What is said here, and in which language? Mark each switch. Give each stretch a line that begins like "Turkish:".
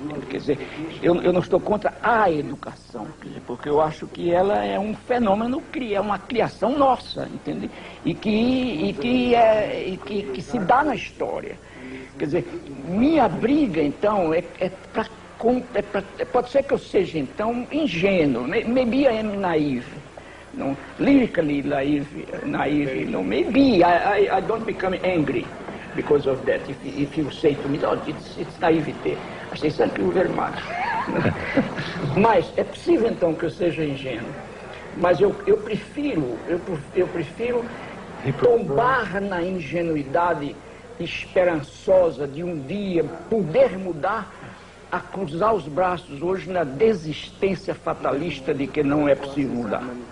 Portuguese: Quer dizer, eu não estou contra a educação, quer dizer, porque eu acho que ela é um fenômeno, é uma criação nossa, entende? E que se dá na história. Quer dizer, minha briga, então, é para pode ser que eu seja então ingênuo,
English: maybe I am naive, no, lyrically naive, naive, no, maybe I don't become angry because of that. If you say to me, oh, it's naivete, I say thank you very much.
Portuguese: Mas é possível então que eu seja ingênuo. Mas eu prefiro tombar na ingenuidade esperançosa de um dia poder mudar, a cruzar os braços hoje na desistência fatalista de que não é possível mudar.